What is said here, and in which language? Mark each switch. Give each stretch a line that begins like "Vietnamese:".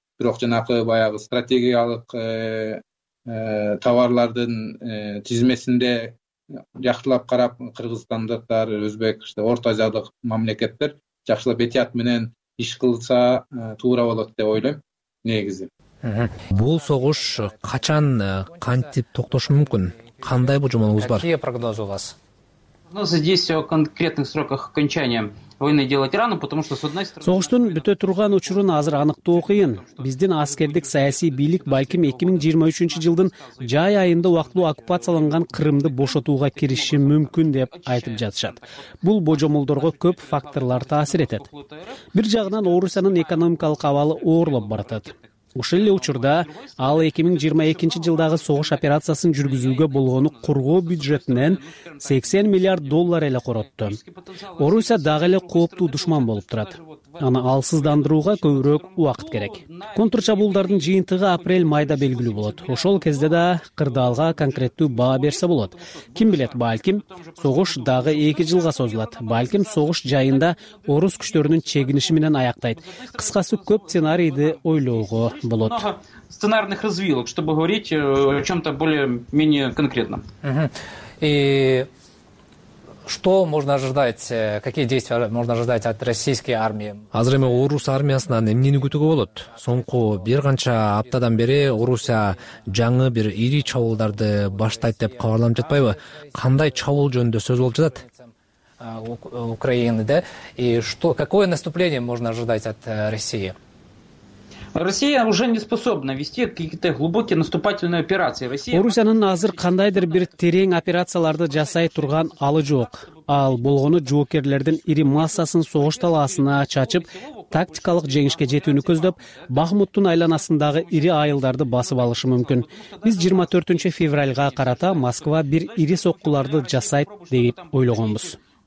Kyrgyz: Бирок жанакы баягы стратегиялык товарлардын тизмесинде жакшылап карап, кыргызстандыктар, өзбек, орто азиялык мамлекеттер жакшылап этият менен иш кылса туура болот деп ойлойм негизи. Бул согуш качан, кантип токтошу мүмкүн? Кандай божомолуңуз бар?
Russian: Какие прогнозы у вас? Прогнозы здесь о конкретных сроках окончания войны делать рано, потому что с одной стороны...
Kyrgyz: Согуштун бүтө турган учурун азыр аныктоо кыйын. Биздин аскердик саясий бийлик балким 2023 жылдын жай айында убактылуу оккупацияланган Кырымды бошотууга кириши мүмкүн деп айтып жатышат. Бул божомолдорго көп факторлор таасир этет. Бир жагынан Орусиянын экономикалык абалы оорлоп баратат. Ушул эле учурда ал 2022 жылдагы согуш операциясын жүргүзүүгө болгону коргоо бюджетинен 80 миллиард доллар эле коротту. Орусия дагы эле кооптуу душман болуп турат. Аны алсыздандырууга көбүрөөк убакыт керек. Контрчабуулдардын жыйынтыгы апрель майда белгилүү болот. Ошол кезде да кырдаалга конкреттүү баа берсе болот. Ким билет, балким согуш дагы 2 жылга созулат. Балким согуш жайында орус күчтөрүнүн чегиниши менен аяктайт. Кыскасы көп сценарийди ойлоого болот.
Russian: Сценарных развилок, чтобы говорить о чём-то более-менее конкретном. Что можно ожидать, какие действия можно ожидать от российской армии?
Kyrgyz: Азыр эми орус армиясынан эмнени күтүүгө болот? Соңку бир канча аптадан бери Орусия жаңы бир ири чабуулдарды баштайт деп кабарланып жатпайбы? Кандай чабуул жөнүндө сөз болуп жатат?
Russian: Украины, да? И что, какое наступление можно ожидать от России? Россия уже не способна вести какие-то глубокие наступательные операции.
Kyrgyz: Орусиянын азыр кандайдыр бир терең операцияларды жасай турган алы жок. Ал болгону жоокерлердин ири массасын согуш талаасына чачып, тактикалык жеңишке жетүүнү көздөп, Бахмуттун айланасындагы ири айылдарды басып алышы мүмкүн. Биз 24 февралга карата Москва бир ири соккуларды жасайт деп ойлогонбуз.